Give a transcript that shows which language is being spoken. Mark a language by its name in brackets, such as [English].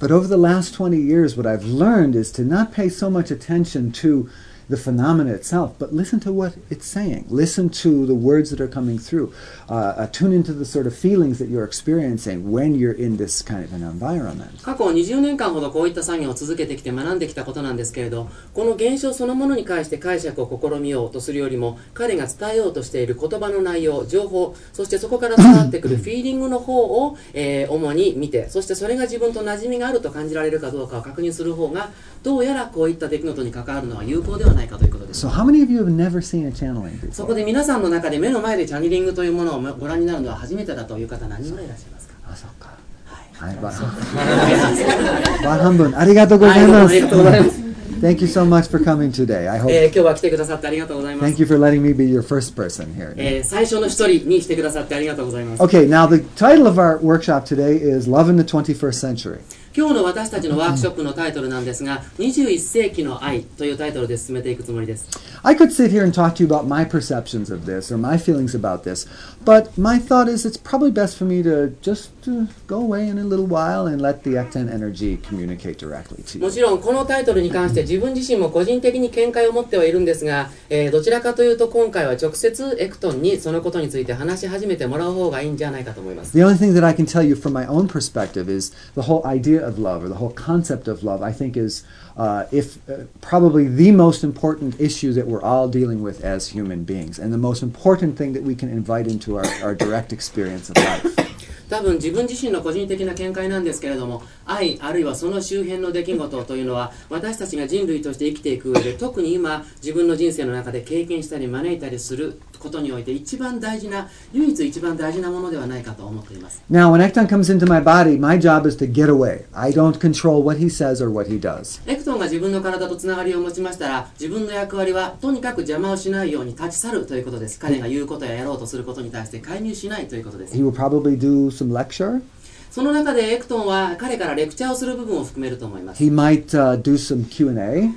[English] But over the last 20 years, what I've learned is to not pay so much attention to the phenomena itself, but listen to what it's saying. Listen to the words that are coming through. Tune into the sort of feelings that you're experiencing when you're in this kind of an environment. [Japanese] 過去20年間ほどこういった作業を続けてきて学んできたことなんですけれど、この現象そのものに関して解釈を試みようとするよりも、彼が伝えようとしている言葉の内容、情報、そしてそこから伝わってくるフィーリングの方を主に見て、そしてそれが自分と馴染みがあると感じられるかどうかを確認する方が、どうやらこういった出来事に関わるのは有効ではないかということです。 [English] So how many of you have never seen a channeling before? [Japanese] そこで皆さんの中で目の前でチャネリングというものをご覧になるのは初めてだという方何人いらっしゃいますか？あ、そうか。はい。はい、バー半分。ありがとうございます。 [English] Thank you so much for coming today. I hope. [Japanese] 今日は来てくださってありがとうございます。 [English] Thank you for letting me be your first person here. [Japanese] 最初の一人にしてくださってありがとうございます。 [English] Okay, now the title of our workshop today is Love in the 21st Century. [Japanese] 今日の私たちのワークショップのタイトルなんですが、21世紀の愛というタイトルで進めていくつもりです。 [English] I could sit here and talk to you about my perceptions of this or my feelings about this, but my thought is it's probably best for me to just go away in a little while and let the Ekton energy communicate directly to you. [Japanese] もちろんこのタイトルに関して自分自身も個人的に見解を持ってはいるんですが、どちらかというと今回は直接エクトンにそのことについて話し始めてもらう方がいいんじゃないかと思います。 [English] The only thing that I can tell you from my own perspective is the whole idea of love or the whole concept of love I think is probably the most important issue that we're all dealing with as human beings and the most important thing that we can invite into our direct experience of life. [Japanese] 多分自分自身の個人的な見解なんですけれども、愛あるいはその周辺の出来事というのは、私たちが人類として生きていく上で、特に今自分の人生の中で経験したり招いたりすることにおいて一番大事な、唯一一番大事なものではないかと思っています。 [English] Now, when Ekton comes into my body, my job is to get away. I don't control what he says or what he does. [Japanese] Ekton が自分の体とつながりを持ちましたら、自分の役割はとにかく邪魔をしないように立ち去るということです。彼が言うことややろうとすることに対して介入しないということです。 [English] He will probably do some lecture. [Japanese] その中でエクトンは彼からレクチャーをする部分を含めると思います。 [English] He might, do some Q&A.